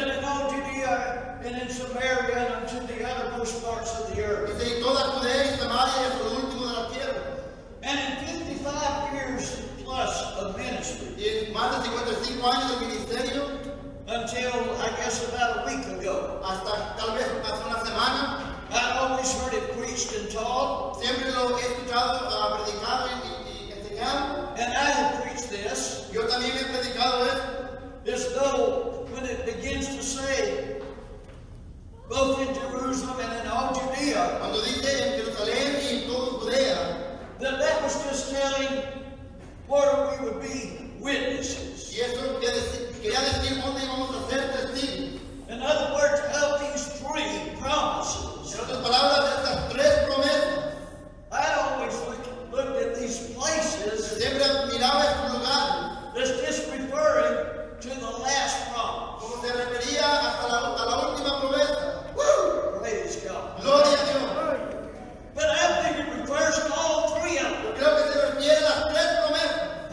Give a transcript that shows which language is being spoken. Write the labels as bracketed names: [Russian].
[English] and in all Judea, and in Samaria, and unto the uttermost parts of the earth. [Spanish] Dice en toda Judea y Samaria, hasta lo último de la tierra. [English] And in 55 years plus of ministry, [Spanish] y más de 55 años de ministerio, [English] until I guess about a week ago, [Spanish] hasta tal vez hace una semana, [English] I always heard it preached and taught. [Spanish] Siempre lo he escuchado predicado y enseñado. [English] And I have preached this. [Spanish] Yo también he predicado esto. [English] As though when it begins to say, both in Jerusalem and in all Judea. [Spanish] Cuando dice en Jerusalén y en todo Judea. [English] That was just telling where we would be witnesses. [Spanish] Y eso quería decir dónde íbamos a ser testigos. [English] In other words, of these three promises. [Spanish] En otras palabras, estas tres promesas. [English] I always looked at these places. [Spanish] Siempre miraba estos lugares. [English] As just referring to the last promise. [Spanish] Como se refería hasta la última promesa. [English] Woo! Praise God. [Spanish] Gloria a Dios. [English] But I think it refers to all three of them. [Spanish] Creo que se refiere a las tres promesas.